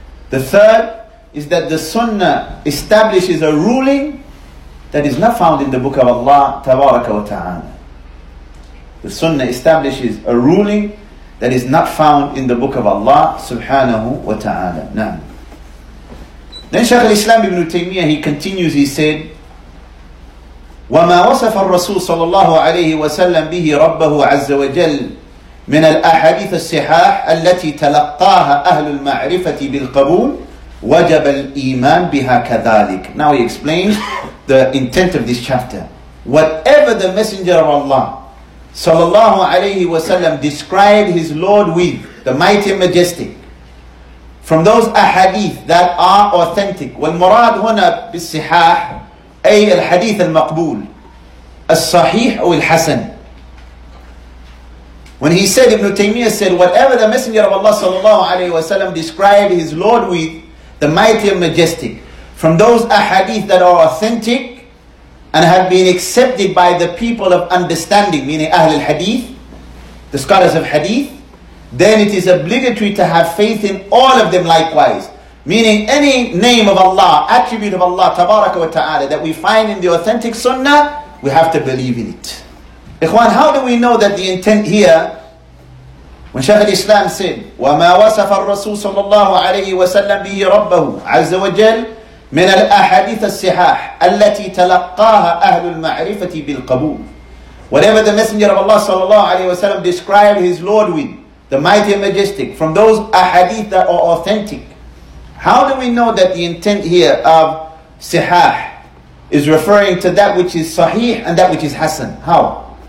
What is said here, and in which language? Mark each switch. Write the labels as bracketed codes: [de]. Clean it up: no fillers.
[en] The third is that the Sunnah establishes a ruling that is not found in the Book of Allah tabaraka wa ta'ala. The Sunnah establishes a ruling that is not found in the Book of Allah subhanahu wa ta'ala. [ar] Naam. [en] Then Shaykh al-Islam ibn Taymiyyah, he continues, he said, [ar] وَمَا وَصَفَ الرَّسُولُ صَلَى اللَّهُ عَلَيْهِ وَسَلَّمْ بِهِ رَبَّهُ عَزَّ وَجَلَّ من الأحاديث الصحاح التي تلقاها أهل المعرفة بالقبول وجب الإيمان بها كذلك. [en] Now he explains the intent of this chapter. Whatever the Messenger of Allah sallallahu alayhi wasallam described his Lord with, the mighty and majestic, from those ahadith that are authentic. [ar] والمراد هنا بالصحاح أي الحديث المقبول الصحيح أو الحسن. [en] When he said, Ibn Taymiyyah said, whatever the Messenger of Allah sallallahu alayhi wa sallam described his Lord with, the mighty and majestic, from those ahadith that are authentic and have been accepted by the people of understanding, meaning Ahl al-Hadith, the scholars of Hadith, then it is obligatory to have faith in all of them likewise. Meaning any name of Allah, attribute of Allah, tabaraka wa ta'ala, that we find in the authentic Sunnah, we have to believe in it. Ikhwan, how do we know that the intent here When Shaykh al-Islam said, [ar] وَمَا وَصَفَ الرَّسُولُ صَلَّى اللَّهُ عَلَيْهِ وَسَلَّمْ بِهِ رَبَّهُ عَزَّ وَجَلْ مِنَ الْأَحَدِثَ السِّحَاحِ الَّتِي تَلَقَّاهَا أَهْلُ الْمَعْرِفَةِ بِالْقَبُولِ. [en] Whatever the Messenger of Allah sallallahu alayhi wa sallam described his Lord with, the mighty and majestic, from those ahadith that are authentic. How do we know that the intent here of sihah is referring to that which is sahih and that which is hasan? How?